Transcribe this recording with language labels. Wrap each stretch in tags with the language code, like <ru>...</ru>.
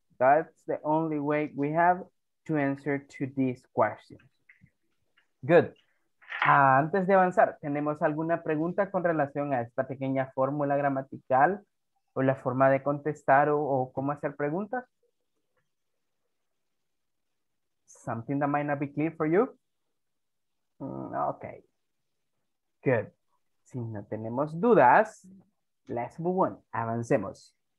<en>That's the only way we have to answer to this question. Good.</en> <es>Antes de avanzar, ¿tenemos alguna pregunta con relación a esta pequeña fórmula gramatical o la forma de contestar o cómo hacer preguntas?</es> <en>Something that might not be clear for you? Okay. Good.</en> <es>Si no tenemos dudas,</es> <en>let's move on.</en> <es>Avancemos.</es>